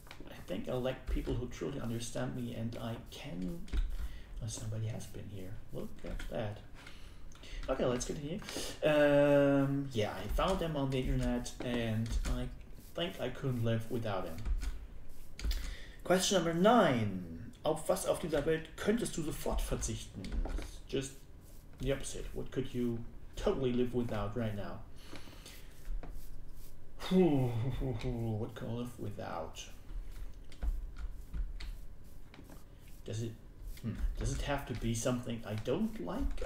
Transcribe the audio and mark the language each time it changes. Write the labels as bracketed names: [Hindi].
[English] I think I like people who truly understand me, and I can... Oh, somebody has been here. Look at that. Okay, let's continue. Yeah, I found him on the internet, and I think I couldn't live without him. Question number 9. [German] Auf was auf dieser Welt könntest du sofort verzichten? [English] Just the opposite. What could you totally live without right now? What can I live without? Does it have to be something I don't like?